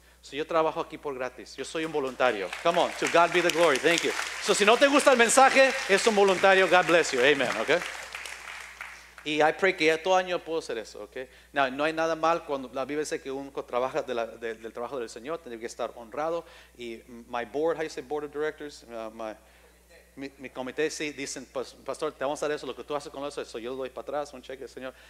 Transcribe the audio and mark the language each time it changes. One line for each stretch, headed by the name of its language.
English: So yo trabajo aquí por gratis. Yo soy un voluntario. Come on. To God be the glory. Thank you.
Spanish: So si no te gusta el mensaje, es un voluntario. God bless you. Amen. Okay. Y I pray que ya todo año puedo hacer eso. Okay. Now, no hay nada mal cuando la Biblia dice que uno trabaja del trabajo del Señor. Tiene que estar honrado.
English: Y my board, how you say board of directors?
Spanish: Mi comité, sí, dicen, pastor, te vamos a dar eso, lo que tú haces con eso, yo lo doy para atrás, un cheque, Señor.